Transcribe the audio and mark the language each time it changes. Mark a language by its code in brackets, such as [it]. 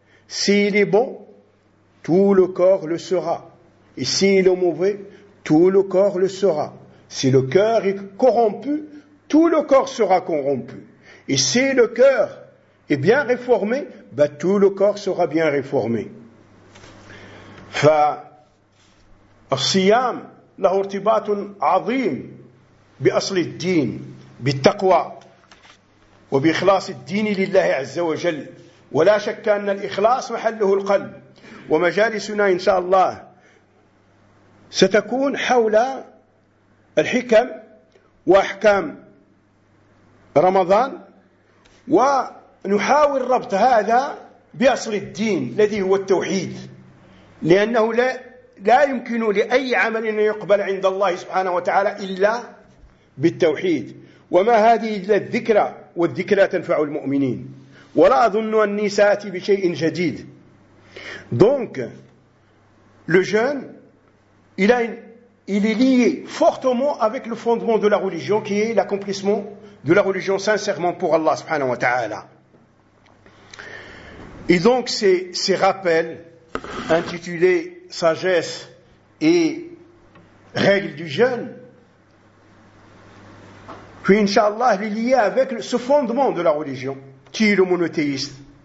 [fr] S'il est bon, tout le corps le sera. Et s'il est mauvais, tout le corps le sera. Si le cœur est corrompu, tout le corps sera corrompu. Et si le cœur est bien réformé, ben tout le corps sera bien réformé. [ar] الصيام له ارتباط عظيم بأصل الدين بالتقوى وبإخلاص الدين لله عز وجل ولا شك أن الإخلاص محله القلب ومجالسنا إن شاء الله ستكون حول الحكم وأحكام رمضان ونحاول ربط هذا بأصل الدين الذي هو التوحيد لأنه لا يمكن لأي عمل أن يقبل عند الله سبحانه وتعالى إلا بالتوحيد وما هذه إلا الذكرى والذكرى تنفع المؤمنين ولا أظن أني سأتي بشيء جديد. [fr] Donc le jeûne il est lié fortement avec le fondement de la religion, qui est l'accomplissement de la religion sincèrement pour Allah subhanahu wa ta'ala. Et donc ces rappels intitulés sagesse et règles du jeûne, puis inshallah, il est lié avec ce fondement de la religion qui est le monothéisme.